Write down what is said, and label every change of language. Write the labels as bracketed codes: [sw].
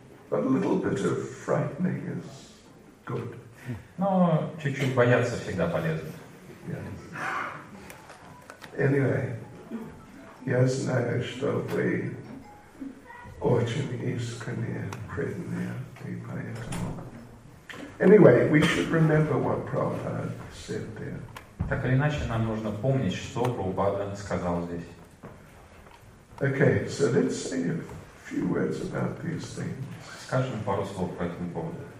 [en] But a little bit of frightening is good. [ru] Но чуть-чуть бояться всегда полезно. [en] Yes. Anyway, [ru] я знаю, что вы очень искренне преданные, и поэтому... [en] Anyway, we should remember what Prabhupada said there. [ru] Так или иначе, нам нужно помнить, что Прабхупада сказал здесь. [en] Okay, so let's say a few words about these things. [ru] Скажем пару слов по этому поводу.